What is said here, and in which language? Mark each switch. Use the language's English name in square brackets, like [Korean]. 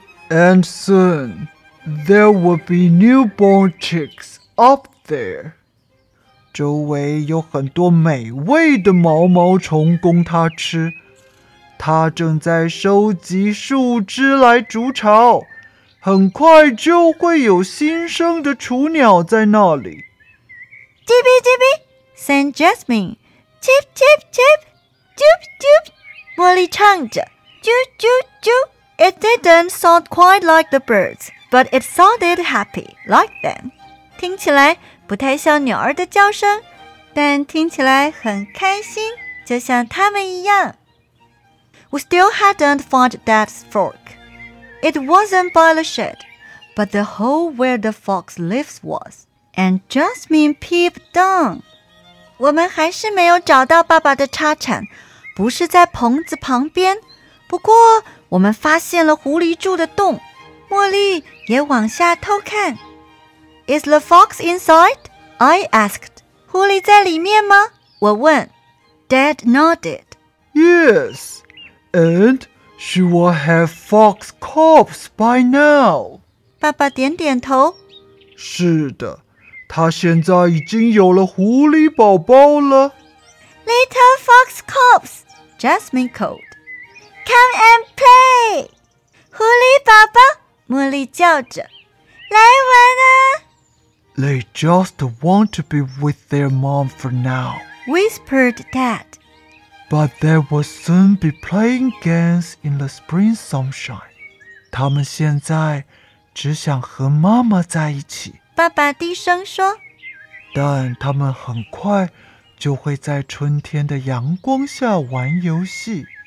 [English] And soon, there will be newborn chicks up there. [Chinese] 周围有很多美味的毛毛虫供她吃。他正在收集树枝来筑巢，很快就会有新生的雏鸟在那里。叽哔叽哔 [English] ，sang Jasmine，叽哔叽哔叽哔 ，jup jup， [Chinese] 茉莉唱着，jup jup jup。 [English] It didn't sound quite like the birds, but it sounded happy like them. [Chinese] 听起来不太像鸟儿的叫声，但听起来很开心，就像它们一样。 [English] We still hadn't found Dad's fork. It wasn't by the shed, but the hole where the fox lives was. And Jasmine peeped down. [Chinese] 我们还是没有找到爸爸的叉铲，不是在棚子旁边。不过我们发现了狐狸住的洞。茉莉也往下偷看。 [English] Is the fox inside? I asked. [Chinese] 狐狸在里面吗？我问。 [English] Dad nodded. Yes. And she will have fox cubs by now. [Chinese] 爸爸点点头。是的，他现在已经有了狐狸宝宝了。 [English] Little fox cubs, Jasmine called. Come and play. [Chinese] 狐狸宝宝，茉莉叫着，来玩啊。 [English] They just want to be with their mom for now, whispered Dad. But they will soon be playing games in the spring sunshine. [Chinese] 他们现在只想和妈妈在一起。爸爸低声说，但他们很快就会在春天的阳光下玩游戏。